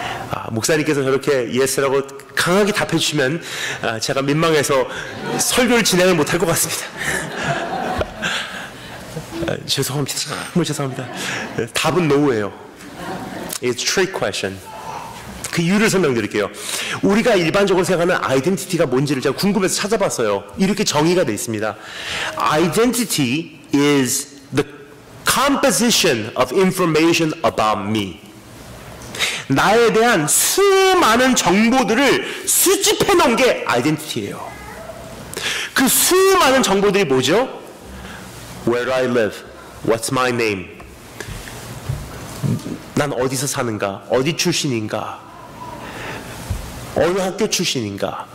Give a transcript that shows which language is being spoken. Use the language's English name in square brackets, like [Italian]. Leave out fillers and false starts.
[Korean] 아, 목사님께서 저렇게 Yes라고 강하게 답해 주시면 제가 민망해서 설교를 진행을 못할 것 같습니다. 죄송합니다. 정말 죄송합니다. 답은 No예요. [English] It's a trick question. [Korean] 그 이유를 설명드릴게요. 우리가 일반적으로 생각하는 아이덴티티가 뭔지를 제가 궁금해서 찾아봤어요. 이렇게 정의가 되어 있습니다. [English] Identity is the composition of information about me. [Korean] 나에 대한 수많은 정보들을 수집해 놓은 게 아이덴티티예요. 그 수많은 정보들이 뭐죠? [English] Where I live? What's my name? [Korean] 난 어디서 사는가? 어디 출신인가? 어느 학교 출신인가?